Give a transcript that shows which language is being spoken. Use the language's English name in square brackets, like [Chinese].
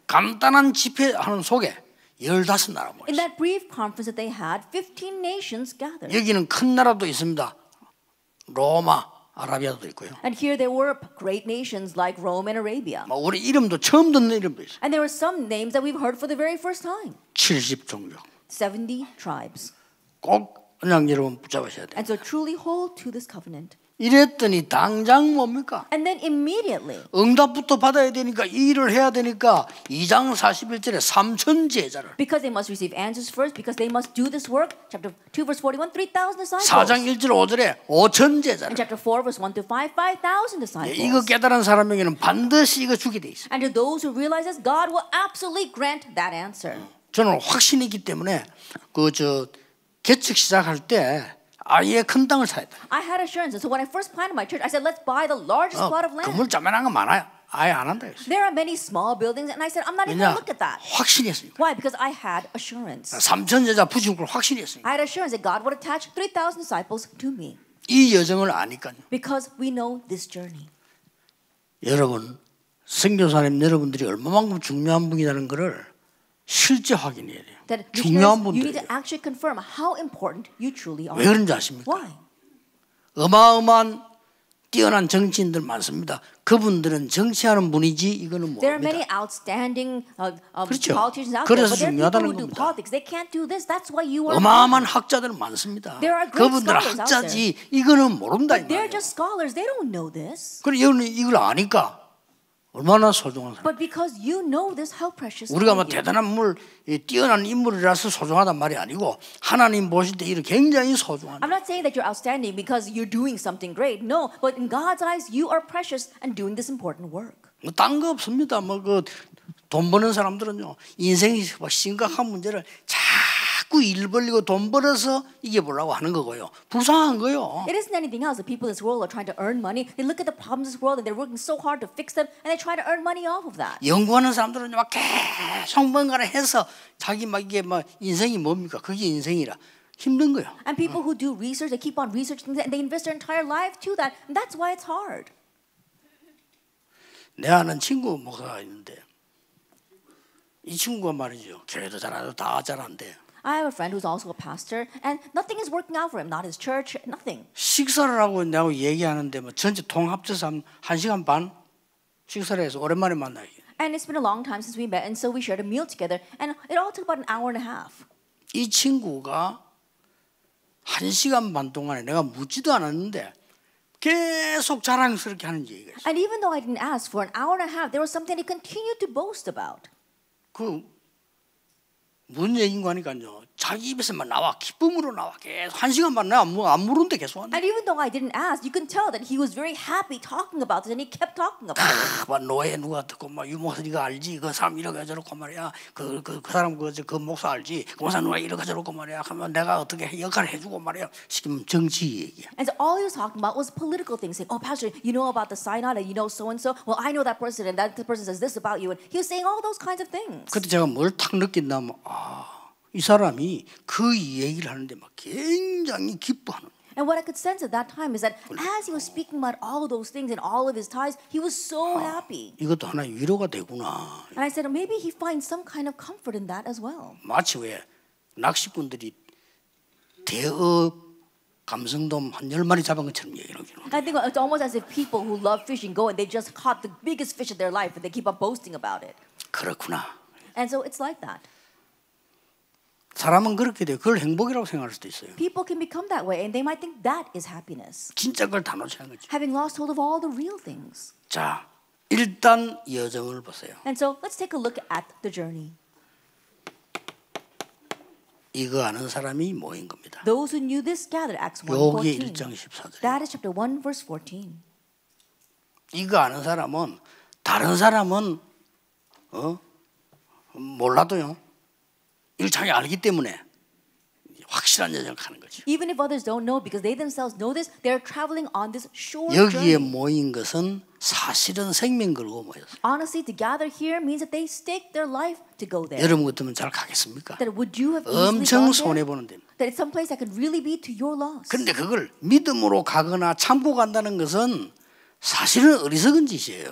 [Korean] 간단한 집회하는 속에 열다섯 나라 모였어요. [English] In that brief conference that they had, 15 nations gathered. [Korean] 여기는 큰 나라도 있습니다. 로마, 아라비아도 있고요. [English] And here there were great nations like Rome and Arabia. [Korean] 우리 이름도 처음 듣는 이름도 있어요. [English] And there were some names that we've heard for the very first time. [Korean] 70종족. [English] 70 tribes. [Korean] 꼭 그냥 여러분 붙잡으셔야 돼요. [English] And so truly hold to this covenant. [Korean] 이랬더니 당장 뭡니까? [English] And then immediately. [Korean] 응답부터 받아야 되니까 일을 해야 되니까 2장 41절에 3천 제자를. [English] Because they must receive answers first, because they must do this work. Chapter 2, verse 41, 3,000 disciples. [Korean] 4장 1절 5절에 5천 제자를. [English] And chapter 4, verse 1 to 5, 5,000 disciples. [Korean] 이거 깨달은 사람에게는 반드시 이거 주게 돼 있어. [English] And to those who realize this, God will absolutely grant that answer. [Korean] 저는 확신이기 때문에 그 저 개척 시작할 때. 아예 큰 땅을 사야 돼. [English] I had assurance. So when I first planted my church, I said, let's buy the largest plot of land. [Korean] 건물 자매란 건 많아요. 아예 안 한다 했어요. [English] There are many small buildings, and I said, I'm not even going to look at that. [Korean] 확신했으니까. [English] Why? Because I had assurance. [Korean] 3천 제자 부진 걸 확신했으니까. [English] I had assurance that God would attach 3,000 disciples to me. [Korean] 이 여정을 아니까요. [English] Because we know this journey. [Korean] 여러분, 선교사님 여러분들이 얼마만큼 중요한 분이라는 것을 실제 확인해야 돼요. [English] That you need to actually confirm how important you truly are. [Korean] 왜 그런지 아십니까? [English] Why? [Korean] 어마어마한 뛰어난 정치인들 많습니다. 그분들은 정치하는 분이지 이거는 뭐입니다. [English] There are many outstanding politicians out there, but they're people who do politics. politics. They can't do this. That's why you are. [Korean] 어마어마한 학자들 많습니다. [English] There are great [Korean] 그분들은 [English] scholars [Korean] 학자지 [English] out there. [Korean] 이거는 모른다 [English] But they're just scholars. They don't know this. [Korean] 그래 여러분 이걸 아니까. 얼마나 소중한 사람. [English] But because you know this, how precious. [Korean] 우리가 뭐 대단한 물, 뛰어난 인물이라서 소중하단 말이 아니고 하나님 보실 때 이런 굉장히 소중한. [English] I'm not saying that you're outstanding because you're doing something great. No, but in God's eyes, you are precious and doing this important work. [Korean] 뭐 딴 거 없습니다. 뭐 그 돈 버는 사람들은요 인생이 막 심각한 문제를 자꾸 일 벌리고 돈 벌어서 이게 보려고 하는 거고요. 불쌍한 거요. [English] It isn't anything else. The people in this world are trying to earn money. They look at the problems in this world and they're working so hard to fix them and they try to earn money off of that. [Korean] 연구하는 사람들은 막 계속 뭔가를 해서 자기 막 이게 막 인생이 뭡니까? 그게 인생이라 힘든 거요. [English] And people who do research, they keep on researching and they invest their entire life to that. And that's why it's hard. [Korean] 내 아는 친구 뭐가 있는데 이 친구가 말이죠. 교회도 잘하고 다 잘한대. [English] I have a friend who's also a pastor, and nothing is working out for him. Not his church, nothing. [Korean] 식사를 하고 내가 얘기하는데 뭐 전체 통합해서 한 시간 반 식사를 해서 오랜만에 만나요. [English] And it's been a long time since we met, and so we shared a meal together, and it all took about an hour and a half. [Korean] 이 친구가 한 시간 반 동안에 내가 묻지도 않았는데 계속 자랑스럽게 하는 얘기가 있어. [English] And even though I didn't ask for an hour and a half, there was something he continued to boast about. [Korean] 그 무슨 얘기인 거 하니까요. 자기 입에서만 나와 기쁨으로 나와 계속 한 시간만 나 안 물은데 계속 왔네. [English] And even though I didn't ask, you can tell that he was very happy talking about this, and he kept talking about it. [Korean] 막 노예 누가 듣고 막 유목사 네가 알지? 그 사람 이렇게 저렇고 말이야. 그 사람 그 목사 알지? 그 목사 누가 이렇게 저렇고 말이야. 그러면 내가 어떻게 역할을 해주고 말이야. 지금 정치 얘기야. [English] And so all he was talking about was political things. Saying, "Oh, Pastor, you know about the synod, and you know so and so. Well, I know that person, and that person says this about you." And he was saying all those kinds of things. [Korean] 그때 제가 뭘 탁 느낀다 뭐. 이 사람이 그 얘기를 하는데 막 굉장히 기뻐하는. [English] And what I could sense at that time is that as he was speaking about all of those things and all of his ties, he was so happy. [Korean] 이것도 하나 위로가 되구나. [English] And I said maybe he finds some kind of comfort in that as well. [Korean] 마치 왜 낚시꾼들이 대어 감성돔 한 열 마리 잡은 것처럼 얘기를 하기로. [English] I think it's almost as if people who love fishing go and they just caught the biggest fish of their life and they keep on boasting about it. [Korean] 그렇구나. [English] And so it's like that. [Korean] 사람은 그렇게 돼요. 그걸 행복이라고 생각할 수도 있어요. [English] People can become that way, and they might think that is happiness. [Korean] 진짜 걸 다 놓치는 거죠. [English] Having lost hold of all the real things. [Korean] 자, 일단 여정을 보세요. [English] And so let's take a look at the journey. [Korean] 이거 아는 사람이 모인 겁니다. [English] Those who knew this gathered Acts 1:14. [Korean] 여기 1장 14절. [English] That is chapter 1, verse 14. [Korean] 이거 아는 사람은 다른 사람은 몰라도요. 일차게 알기 때문에 확실한 여정을 가는 거죠. [English] Even if others don't know because they themselves know this, they are traveling on this short journey. [Korean] 여기에 모인 것은 사실은 생명 걸고 모였어요. [English] Honestly, to gather here means that they stake their life to go there. [Korean] 여러분 같으면 잘 가겠습니까? [English] That would you have [Korean] 엄청 손해 보는 데. [English] That it's some place that could really be to your loss. [Korean] 근데 그걸 믿음으로 가거나 참고 간다는 것은 사실은 어리석은 짓이에요.